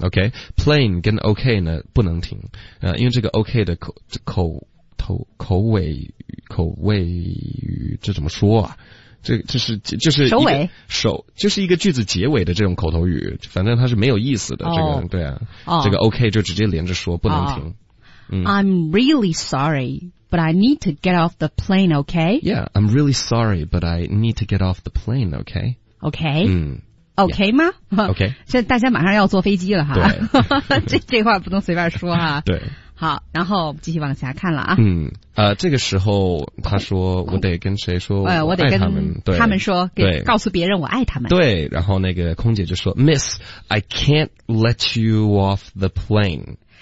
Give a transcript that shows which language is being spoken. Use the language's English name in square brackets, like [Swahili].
[Chinese] OK, plane 跟 OK 呢不能停、因为这个 OK 的口尾这怎么说啊这是首尾首就是一个句子结尾的这种口头语反正它是没有意思的、 oh. 这个对啊、 oh. 这个 OK 就直接连着说不能停、oh. [English] I'm really sorry, but I need to get off the plane, okay? Yeah, I'm really sorry, but I need to get off the plane, okay? Okay?、嗯、 okay、yeah. 吗 Okay. [Chinese] 现在大家马上要坐飞机了哈。这话不能随便说哈。对。好然后继续往下看了啊。嗯这个时候他说我得跟谁说我爱他们。我得跟他们说。他们说给告诉别人我爱他们。对然后那个空姐就说 [English] Miss, I can't let you off the plane.